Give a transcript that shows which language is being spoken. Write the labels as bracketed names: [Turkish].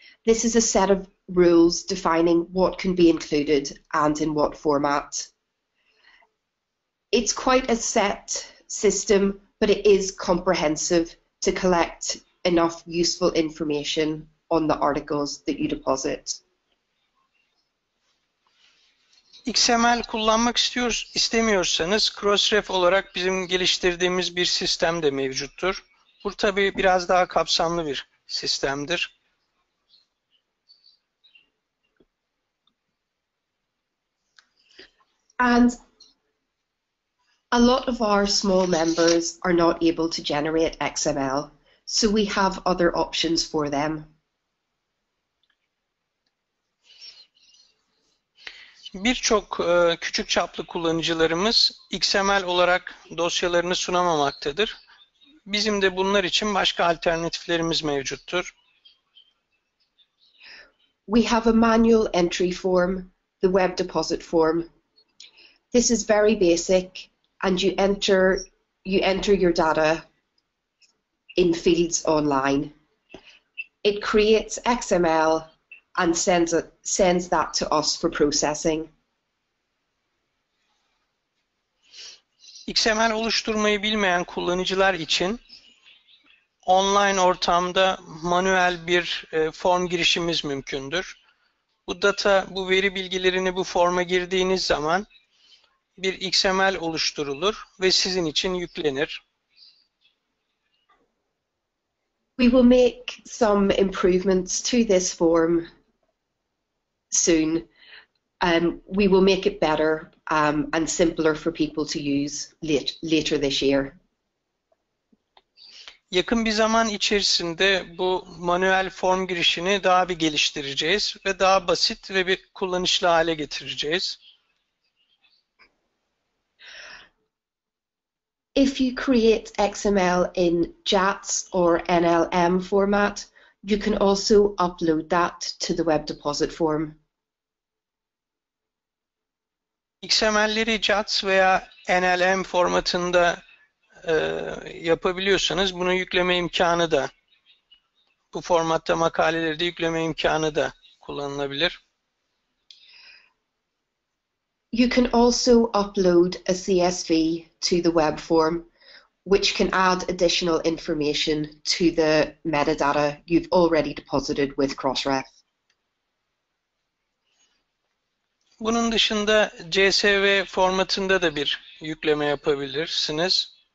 [English] This is a set of rules defining what can be included and in what format. It's quite a set system, but it is comprehensive to collect enough useful information on the articles that you deposit. [Turkish] XML kullanmak istemiyorsanız Crossref olarak bizim geliştirdiğimiz bir sistem de mevcuttur. Bu tabii biraz daha kapsamlı bir sistemdir. [English] And a lot of our small members are not able to generate XML, so we have other options for them. [Turkish] Birçok küçük çaplı kullanıcılarımız XML olarak dosyalarını sunamamaktadır. Bizim de bunlar için başka alternatiflerimiz mevcuttur. [English] We have a manual entry form, the web deposit form. This is very basic and you enter your data in fields online. It creates XML and sends that to us for processing. [Turkish] XML oluşturmayı bilmeyen kullanıcılar için online ortamda manuel bir form girişimiz mümkündür. Bu data, bu veri bilgilerini bu forma girdiğiniz zaman bir XML oluşturulur ve sizin için yüklenir. [English] We will make some improvements to this form soon. We will make it better and simpler for people to use later this year. [Turkish] Yakın bir zaman içerisinde bu manuel form girişini daha bir geliştireceğiz ve daha basit ve bir kullanışlı hale getireceğiz. [English] If you create XML in JATS or NLM format, you can also upload that to the web deposit form. [Turkish] XML'leri JATS veya NLM formatında yapabiliyorsanız bunu yükleme imkanı da, bu formatta makaleleri de yükleme imkanı da kullanılabilir. [English] You can also upload a CSV to the web form, which can add additional information to the metadata you've already deposited with Crossref. [Turkish] Bunun dışında CSV formatında da bir yükleme yapabilirsiniz.